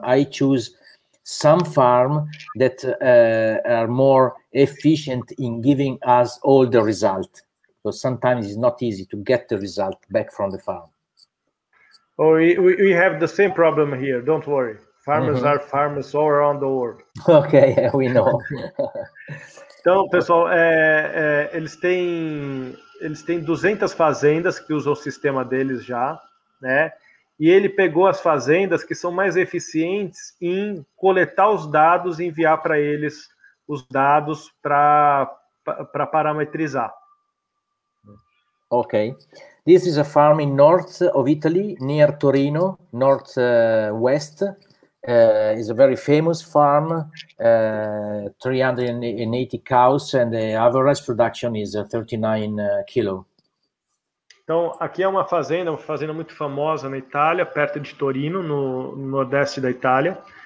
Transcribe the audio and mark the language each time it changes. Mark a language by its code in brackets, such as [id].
[en] I choose some farm that are more efficient in giving us all the result. So sometimes it's not easy to get the result back from the farm. Oh, we have the same problem here. Don't worry. Farmers mm-hmm. are farmers all around the world. Okay, we know. [pt] Então, pessoal, eles têm 200 fazendas que usam o sistema deles já, né? E ele pegou as fazendas que são mais eficientes em coletar os dados e enviar para eles os dados para parametrizar. [en] Ok. This is a farm in north of Italy, near Torino, northwest. It's a very famous farm, 380 cows, and the average production is 39 kilo. [pt] Então, aqui é uma fazenda muito famosa na Itália, perto de Torino, no nordeste da Itália.